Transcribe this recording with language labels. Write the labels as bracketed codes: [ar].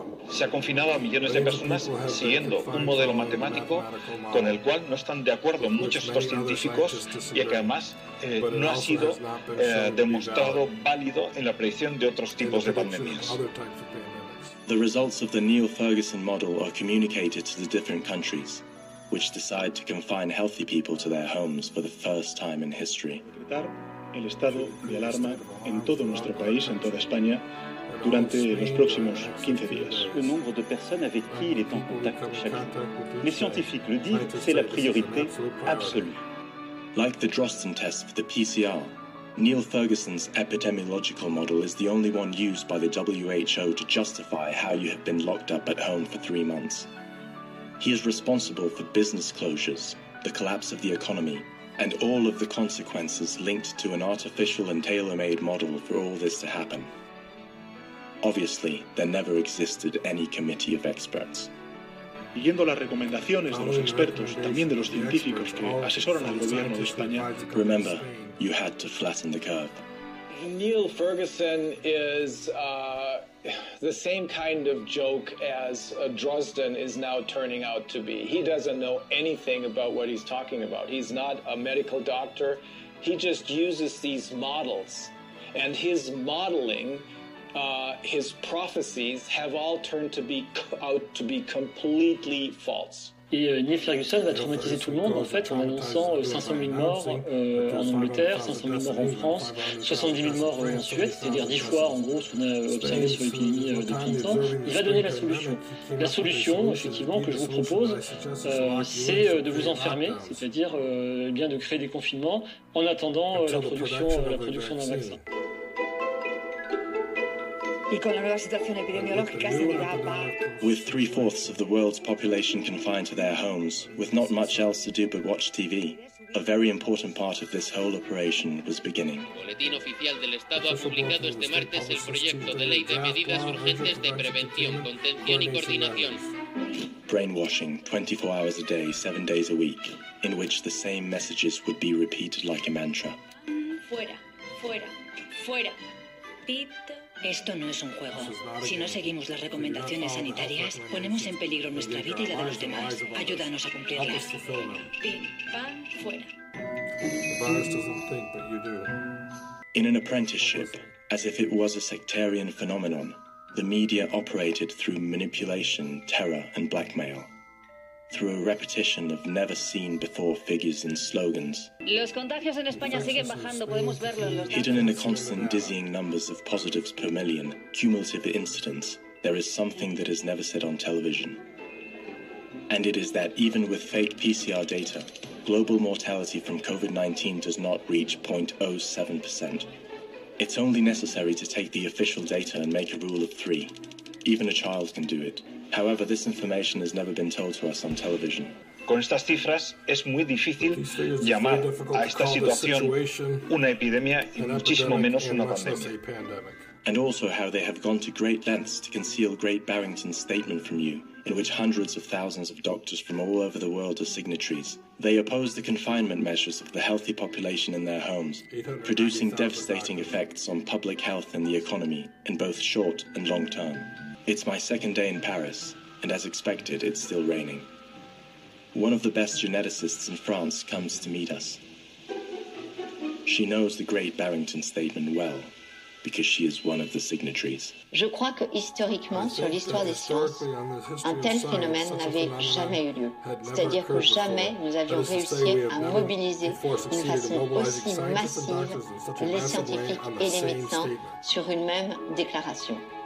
[es] Se ha confinado a millones de personas siguiendo un modelo matemático con el cual no están de acuerdo muchos otros científicos y que además no ha sido demostrado válido en la predicción de otros tipos de pandemias. [en] The results of the Neil Ferguson model are communicated to the different countries, which decide to confine healthy people to their homes for the first time in history. [es] El estado de alarma en todo nuestro país, en toda España, durante los próximos 15 días. [fr] Le nombre de personnes avec qui il est en contact chaque jour. Les scientifiques le disent, c'est la priorité absolue. [en] Like the Drosten test for the PCR, Neil Ferguson's epidemiological model is the only one used by the WHO to justify how you have been locked up at home for 3 months. He is responsible for business closures, the collapse of the economy, and all of the consequences linked to an artificial and tailor-made model for all this to happen. Obviously, there never existed any committee of experts. [es] Siguiendo las recomendaciones de los expertos, también de los científicos que asesoran al gobierno de España. [en] Remember, you had to flatten the curve. Niall Ferguson is the same kind of joke as Drosten is now turning out to be. He doesn't know anything about what he's talking about. He's not a medical doctor. He just uses these models. And his modeling, his prophecies, have all turned to be out to be completely false. [fr] Et Niall Ferguson va traumatiser tout le monde en fait en annonçant 500 000 morts en Angleterre, 500 000 morts en France, 70 000 morts en Suède, c'est-à-dire 10 fois en gros ce qu'on a observé sur l'épidémie depuis longtemps. Il va donner la solution. La solution, effectivement, que je vous propose, c'est de vous enfermer, c'est-à-dire bien de créer des confinements en attendant la production d'un vaccin. [en] With 3/4 of the world's population confined to their homes, with not much else to do but watch TV, a very important part of this whole operation was beginning. [es] El Boletín Oficial del Estado ha publicado este martes el proyecto de ley de medidas urgentes de prevención, contención y coordinación. [en] Brainwashing 24 hours a day, 7 days a week, in which the same messages would be repeated like a mantra. [es] Fuera, fuera, fuera. Esto no es un juego. Si no seguimos las recomendaciones sanitarias, ponemos en peligro nuestra vida y la de los demás. Ayúdanos a cumplirlas. Pim, pam, fuera. [en] In an apprenticeship, as if it was a sectarian phenomenon, the media operated through manipulation, terror, and blackmail. Through a repetition of never-seen-before figures and slogans. [es] Los contagios en España siguen bajando, podemos verlo en los... [en] Hidden in the constant dizzying numbers of positives per million, cumulative incidents, there is something that is never said on television. And it is that even with fake PCR data, global mortality from COVID-19 does not reach 0.07%. It's only necessary to take the official data and make a rule of three. Even a child can do it. However, this information has never been told to us on television. [es] Con estas cifras es muy difícil llamar a esta situación una epidemia y muchísimo menos una pandemia. [en] And also how they have gone to great lengths to conceal Great Barrington's statement from you, in which hundreds of thousands of doctors from all over the world are signatories. They oppose the confinement measures of the healthy population in their homes, producing devastating effects on public health and the economy in both short and long term. It's my second day in Paris, and as expected, it's still raining. One of the best geneticists in France comes to meet us. She knows the Great Barrington Statement well, because she is one of the signatories. [fr] Je crois que historiquement, sur l'histoire des sciences, un tel phénomène n'avait jamais eu lieu. C'est-à-dire que jamais nous avions réussi à mobiliser d'une façon aussi massive les scientifiques et les médecins sur une même déclaration.